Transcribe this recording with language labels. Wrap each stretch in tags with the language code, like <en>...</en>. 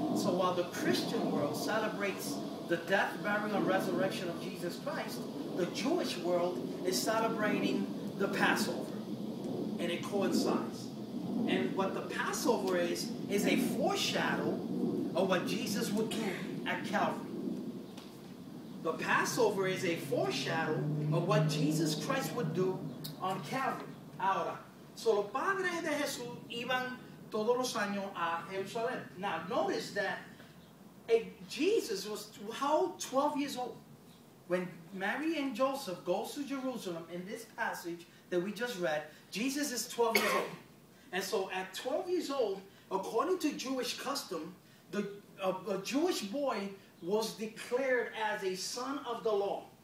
<en>So while the Christian world celebrates the death, burial, and resurrection of Jesus Christ, the Jewish world is celebrating the Passover. And it coincides. And what the Passover is a foreshadow of what Jesus would do at Calvary. The Passover is a foreshadow of what Jesus Christ would do on Calvary.</en> <es>Ahora, so los padres de Jesús iban todos los años a Jerusalén.</es> <en>Now, notice that Jesus was how 12 years old. When Mary and Joseph goes to Jerusalem in this passage that we just read, Jesus is 12 years old. And so at 12 years old, according to Jewish custom, a Jewish boy was declared as a son of the law.</en>